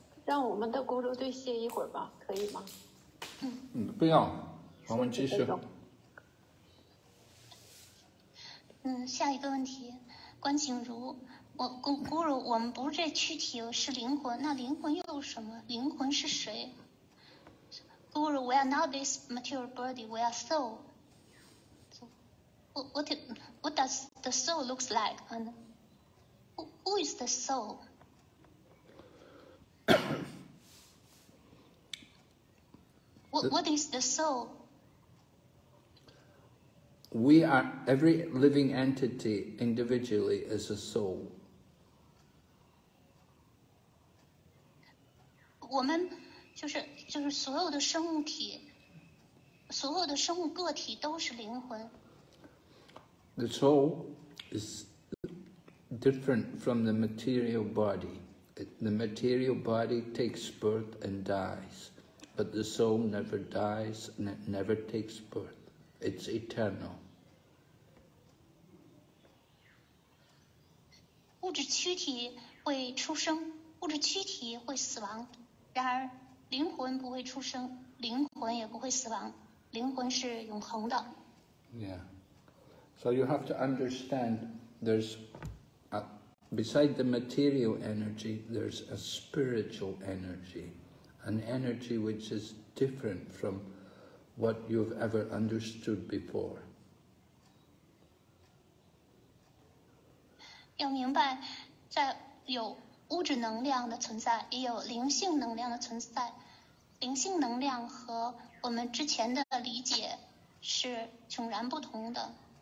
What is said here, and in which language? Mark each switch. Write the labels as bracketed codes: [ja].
[zh] 让我们的咕噜队歇一会儿吧，可以吗？嗯，不要，我们继续。下一个问题，关景如，我咕噜，我们不是这躯体，是灵魂，那灵魂又是什么？灵魂是谁？ [en] 咕噜 ，we are not this material body, we are soul. What does the soul looks like? And who is the soul? What is the soul? We are, every living entity individually is a soul. [zh] 我们就是所有的生物体，所有的生物个体都是灵魂。 [en] The soul is different from the material body. The material body takes birth and dies. But the soul never dies and it never takes birth. It's eternal. [zh] 物质躯体会出生，物质躯体会死亡。然而，灵魂不会出生，灵魂也不会死亡。灵魂是永恒的。 [en] Yeah. So you have to understand there's, beside the material energy, there's a spiritual energy. An energy which is different from what you've ever understood before. [zh] 要明白，在有物质能量的存在，也有灵性能量的存在。灵性能量和我们之前的理解是迥然不同的。